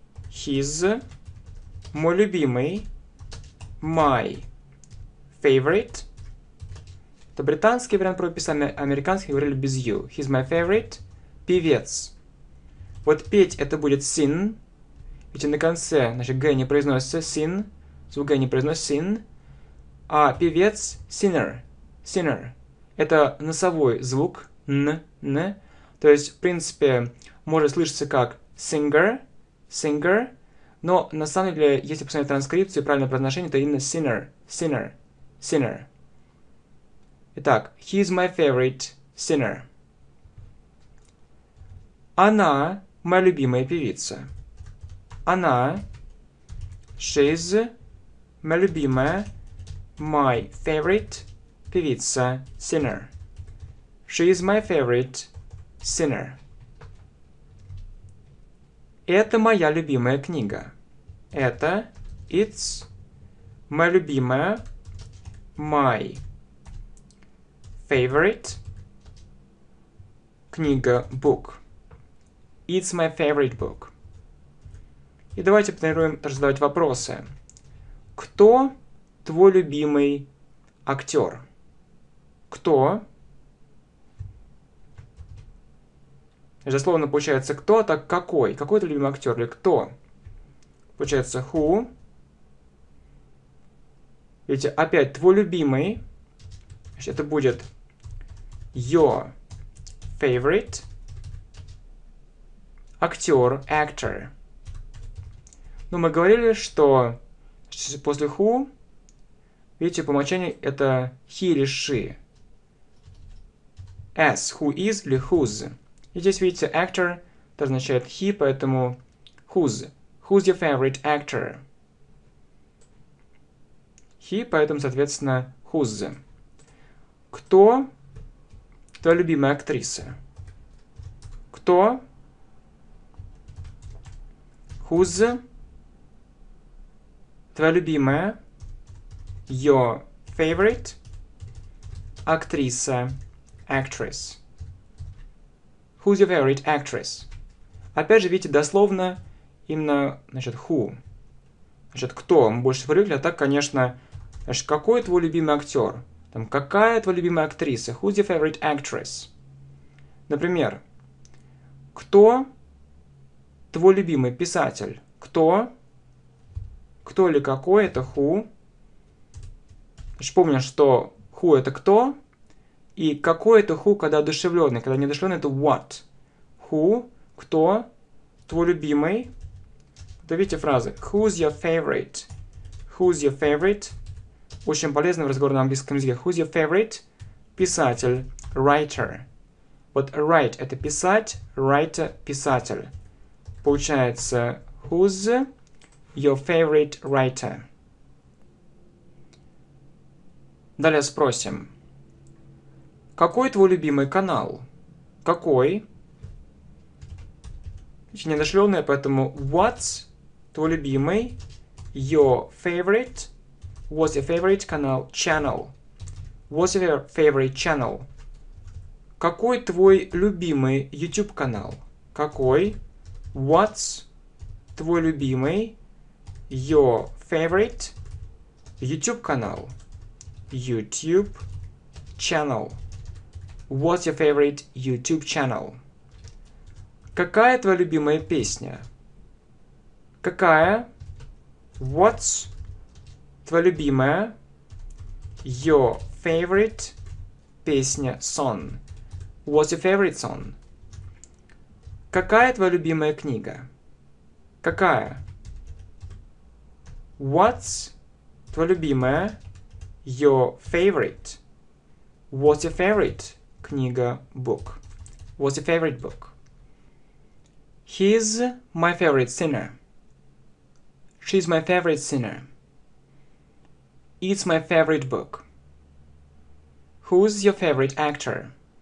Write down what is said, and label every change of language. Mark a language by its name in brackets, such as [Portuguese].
[English] He's [Russian] мой любимый. [English] My favorite. [Russian] Это британский вариант правописания, американский говорили без you. [English] He's my favorite [Russian] певец. Вот петь это будет sing. Ведь на конце, значит, г не произносится sin, звук г не произносится sin, а певец singer, singer. Это носовой звук, н, То есть, в принципе, может слышаться как singer, singer, но на самом деле, если посмотреть транскрипцию и правильное произношение, то именно sinner, sinner, sinner. [English] Итак, he is my favorite sinner. [Russian] Она моя любимая певица. Она, [English] she is [Russian] моя любимая, [English] my favorite [Russian] певица, [English] sinner. She is my favorite sinner. [Russian] Это моя любимая книга. Это, [English] it's [Russian] моя любимая, [English] my favorite [Russian] книга, [English] book. It's my favorite book. [Russian] И давайте потренируем задавать вопросы. Кто твой любимый актер? Кто? Дословно получается кто, так какой? Какой твой любимый актер или кто? Получается who? Видите, опять твой любимый. Значит, это будет [English] your favorite [Russian] актер, actor. Но мы говорили, что после who, видите, по умолчанию это he или she. [English] As, who is или whose. [Russian] И здесь, видите, actor, это означает he, поэтому whose. [English] Who's your favorite actor? [Russian] He, поэтому, соответственно, whose. Кто твоя любимая актриса? Кто? [English] Who's [Russian] твоя любимая, [English] your favorite [Russian] актриса, [English] actress. Who's your favorite actress? [Russian] Опять же, видите, дословно именно, значит, who. Значит, кто? Мы больше привыкли, а так, конечно, значит, какой твой любимый актер? Там, какая твоя любимая актриса? [English] Who's your favorite actress? [Russian] Например, кто твой любимый писатель? Кто? Кто или какой? Это who. Значит, помню, что who — это кто. И какой это who, когда одушевленный? Когда неодушевленный, это what. [English] Who? [Russian] Кто? Твой любимый? Давайте фразы. [English] Who's your favorite? Who's your favorite? [Russian] Очень полезно в разговоре на английском языке. [English] Who's your favorite? [Russian] Писатель. [English] Writer. [Russian] Вот write — это писать. Writer — писатель. [English] Получается, who's your favorite writer? [Russian] Далее спросим. Какой твой любимый канал? Какой? Еще не дошлённое, поэтому [English] what's [Russian] твой любимый? [English] Your favorite? What's your favorite [Russian] канал? [English] Channel. What's your favorite channel? [Russian] Какой твой любимый YouTube канал? Какой? [English] What's [Russian] твой любимый, [English] your favorite YouTube [Russian] канал? [English] YouTube channel. What's your favorite YouTube channel? [Russian] Какая твоя любимая песня? Какая? [English] What's [Russian] твоя любимая, [English] your favorite [Russian] песня, [English] song? What's your favorite song? [Russian] Какая твоя любимая книга? Какая? [English] What's [Russian] твоя любимая? [English] Your favorite. What's your favorite [Russian] книга, [English] book? What's your favorite book? He's my favorite singer. She's my favorite singer. It's my favorite book. Who's your favorite actor?